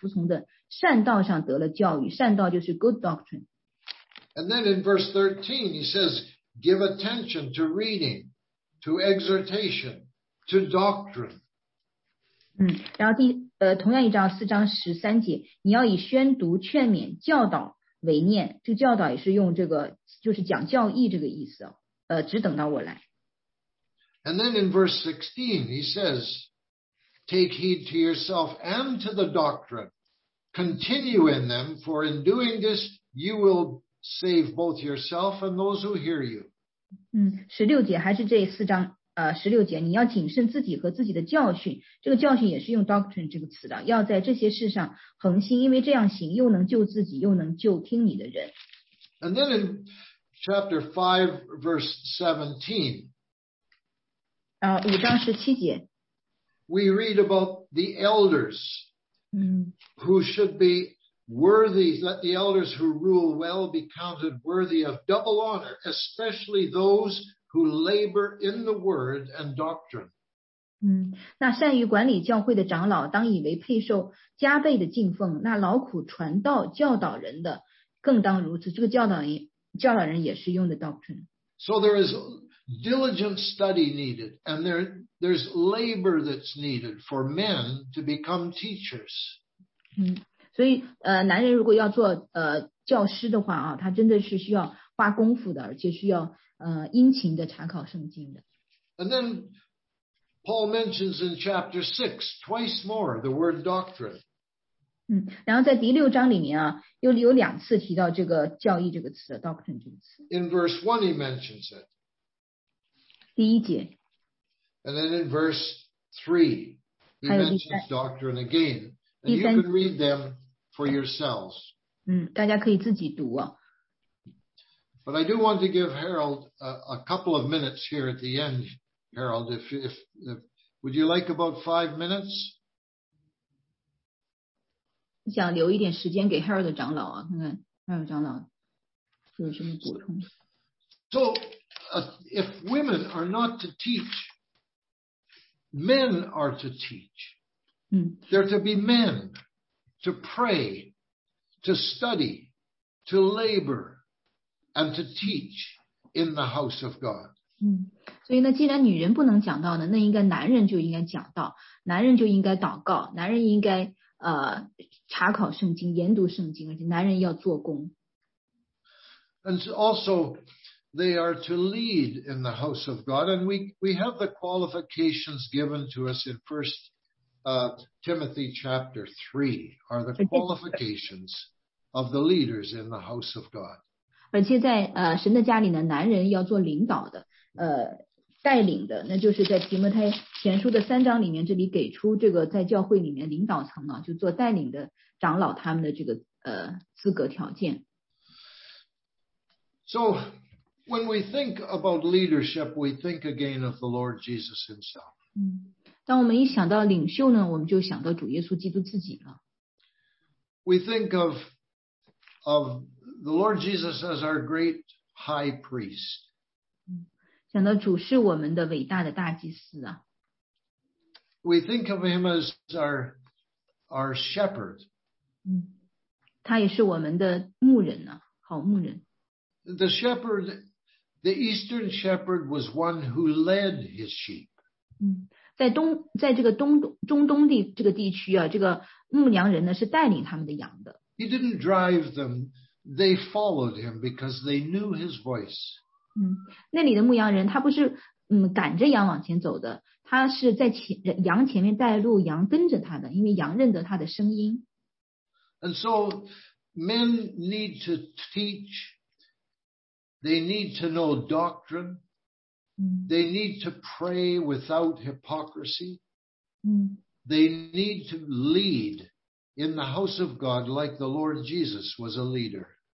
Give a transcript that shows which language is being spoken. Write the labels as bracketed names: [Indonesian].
[Chinese] 你若将这些事提醒弟兄们，便是基督耶稣的好执事，在真道的话语和你向来所服从的善道上得了教育。善道就是 [English] good doctrine. And then in verse 13, he says, give attention to reading, to exhortation, to doctrine. [Chinese] 然后同样一章4章13节，你要以宣读、劝勉、教导为念，这教导也是用这个，就是讲教义这个意思，只等到我来。 [English] And then in verse 16, he says, take heed to yourself and to the doctrine. Continue in them, for in doing this, you will save both yourself and those who hear you. [Chinese] 16节还是这四章, 16节，你要谨慎自己和自己的教训，这个教训也是用 doctrine 这个词的，要在这些事上恒心，因为这样行又能救自己又能救听你的人。 [English] And then in chapter 5 verse 17, [Chinese] 五章十七节， [English] we read about the elders who should be worthy, let the elders who rule well be counted worthy of double honor, especially those who labor in the word and doctrine. [Chinese] 那善于管理教会的长老当以为配受加倍的敬奉，那劳苦传道教导人的更当如此，这个教导人也是用的 doctrine。 [English] So there is diligent study needed, and there's labor that's needed for men to become teachers. [Chinese] 所以男人如果要做教师的话啊，他真的是需要花功夫的，而且需要殷勤的查考圣经的。 [English] And then Paul mentions in chapter 6 twice more the word doctrine. [Chinese] 然后在第六章里面啊，又有两次提到这个教义这个词 doctrine 这个词。 [English] In verse 1 he mentions it. [Chinese] 第一节。 [English] And then in verse 3 he mentions doctrine again. And you can read them for yourselves. [Chinese] 大家可以自己读啊。 [English] But I do want to give Harold a couple of minutes here at the end. Harold, if would you like about 5 minutes? [Chinese] 想留一点时间给 Harold 长老啊，看看 Harold 长老有什么补充。 [English] So, if women are not to teach, men are to teach. They're to be men, to pray, to study, to labor, and to teach in the house of God. [Chinese] 所以呢，既然女人不能讲道呢，那应该男人就应该讲道，男人就应该祷告，男人应该查考圣经，研读圣经，而且男人要做工。 [English] And so also, they are to lead in the house of God, and we have the qualifications given to us in Timothy chapter 3 are the qualifications of the leaders in the house of God. [Chinese] 而且在神的家里呢，男人要做领导的，带领的，那就是在提摩太前书的三章里面，这里给出这个在教会里面领导层呢，就做带领的长老他们的这个资格条件。 [English] So when we think about leadership, we think again of the Lord Jesus himself. [Chinese] 当我们一想到领袖呢，我们就想到主耶稣基督自己了。 [English] We think of the Lord Jesus as our great high priest. [Chinese] 想到主是我们的伟大的大祭司啊。 [English] We think of him as our shepherd. [Chinese] 他也是我们的牧人啊，好牧人。 [English] The shepherd, the eastern shepherd was one who led his sheep. [Chinese] 在这个中东地这个地区啊，这个牧羊人呢是带领他们的羊的。 [English] He didn't drive them, they followed him because they knew his voice. [Chinese] 那里的牧羊人他不是赶着羊往前走的，他是在羊前面带路，羊跟着他的，因为羊认得他的声音。 [English] And so men need to teach, they need to know doctrine. They need to pray without hypocrisy. They need to lead in the house of God like the Lord Jesus was a leader.